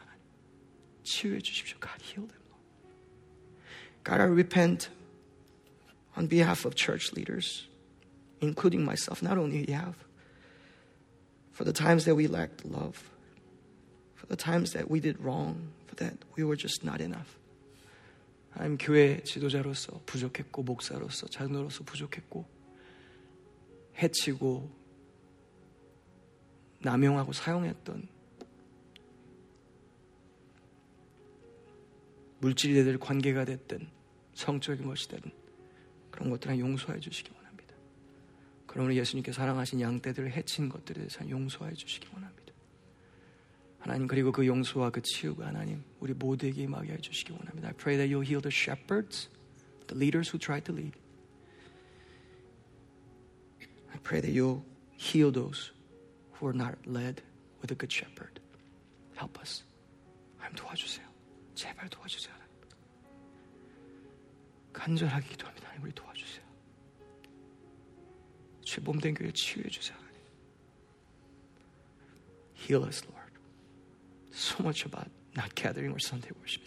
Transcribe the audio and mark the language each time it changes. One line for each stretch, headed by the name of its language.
Korean: 하나님. 치유해 주십시오.
English: God, heal them. God, I repent on behalf of church leaders, including myself, not only you have, for the times that we lacked love, for the times that we did wrong, for that we were just not enough. I'm
Korean: 교회 지도자로서 부족했고, 목사로서, 장로로서 부족했고, 해치고, 남용하고 사용했던 물질이 되든 관계가 됐든, 성적인 것이 되든 그런 것들은 용서해 주시기 원합니다. 그러므로 예수님께 사랑하신 양떼들을 해친 것들에 대해서 용서해 주시기 원합니다. 하나님 그리고 그 용서와 그 치유가 하나님 우리 모두에게 임하게 해 주시기 원합니다.
English: I pray that you'll heal the shepherds, the leaders who tried to lead. I pray that you'll heal those who are not led with a good shepherd. Help us.
Korean: 하나님 도와주세요. 제발 도와주세요. 간절하게 기도합니다. 하나님 우리 도와주세요. 죄 몸된 교회 치유해 주세요. 하나님.
English: Heal us, Lord. So much about not gathering or Sunday worship.